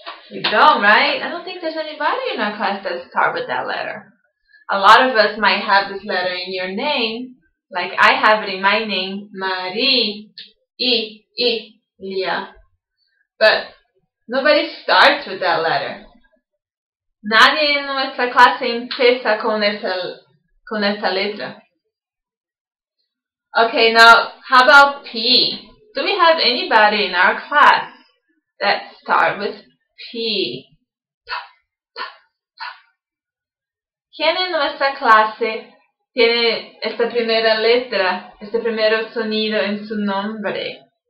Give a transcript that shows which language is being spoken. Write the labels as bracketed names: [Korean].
[English] We don't, right? I don't think there's anybody in our class that start with that letter. A lot of us might have this letter in your name, like I have it in my name, Marie, Lia. But nobody starts with that letter. [Spanish] Nadie en nuestra clase empieza con esta letra. [English] Okay, now, how about P? Do we have anybody in our class that start with P? [Spanish] ¿Quién en nuestra clase tiene esta primera letra, este primer sonido en su nombre?